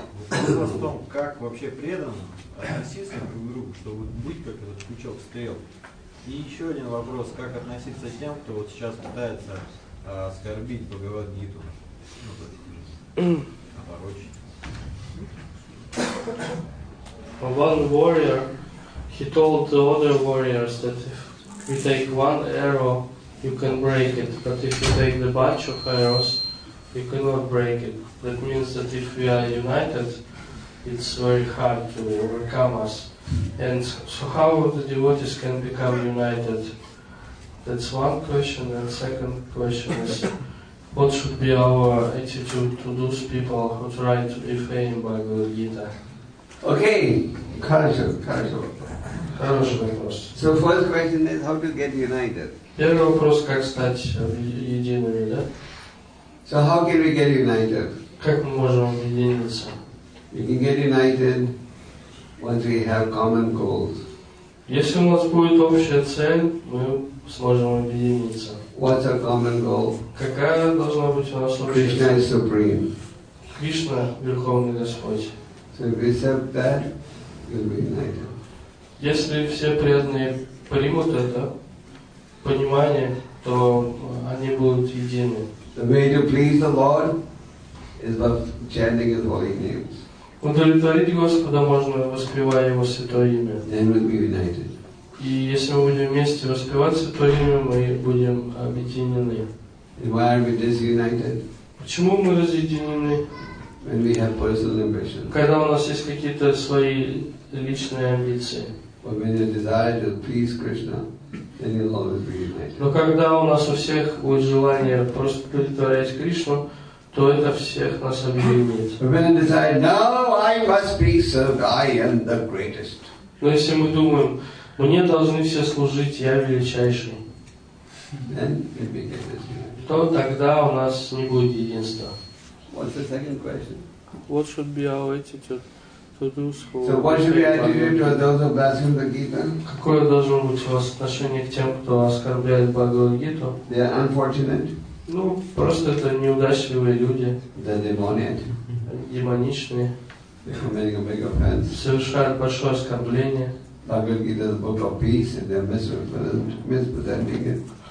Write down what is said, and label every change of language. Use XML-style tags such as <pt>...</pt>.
<ru>Вопрос в том, как вообще преданно относиться друг к другу, чтобы быть как этот пучок стрел. И еще один вопрос, как относиться к тем, кто вот сейчас пытается оскорбить Бхагавад-гиту, ну, то есть, оборочить.</ru> <en>One warrior, he told the other warriors that if you take one arrow, you can break it, but if you take the bunch of arrows, you cannot break it. That means that if we are united, it's very hard to overcome us. And so how the devotees can become united? That's one question. And second question is, what should be our attitude to those people who try to defame Bhagavad Gita? Okay, Karajo.</en> <ru>Хороший вопрос.</ru> <en>So first question is, how to get united?</en> <ru>Первый вопрос, как стать едиными, да?</ru> <en>So how can we get united?</en> <ru>Как мы можем объединиться?</ru> <en>We can get united once we have common goals.</en> <ru>Если у нас будет общая цель, мы сможем объединиться.</ru> <en>What's our common goal?</en> <ru>Какая должна быть у нас общая цель?</ru> <en>Krishna is supreme.</en> <ru>Кришна – Верховный Господь.</ru> <en>So if we accept that, we'll be enlightened.</en> <ru>Если все преданные примут это понимание, то они будут едины.</ru> <en>The way to please the Lord is by chanting His holy names.</en> <ru>Удовлетворить Господа можно, воспевая Его святое имя.</ru> <en>Then we'll be united.</en> <ru>И если мы будем вместе воспевать святое имя, мы будем объединены.</ru> <en>And why are we disunited?</en> <ru>Почему мы разъединены?</ru> <en>When we have personal ambition.</en> <ru>Когда у нас есть какие-то свои личные амбиции.</ru> <en>But when you desire to please Krishna, then you'll always be united.</en> <ru>Но когда у нас у всех будет желание просто удовлетворять Кришну, то это всех нас объединит.</ru> <en>But when you desire, no, I must be served, I am the greatest.</en> <ru>Но если мы думаем, мне должны все служить, я величайший.</ru> <en>Then it begins.</en> <ru>То тогда у нас не будет единства.</ru> <en>What's the second question? What should be our attitude to those who? So what should be our attitude to those who blaspheme the Gita?</en> <ru>Какое должно быть у вас отношение к тем, кто оскорбляет Бхагавад-гиту?</ru> <en>They are unfortunate.</en> <ru>Ну просто это неудачливые люди.</ru> <en>They're demoniac.</en> <ru>Демоничные.</ru> <en>They're committing a big offense.</en> <ru>Совершают большое оскорбление.</ru> <en>Бхагавад-гита is a book of peace, and they're misrepresenting it.</en>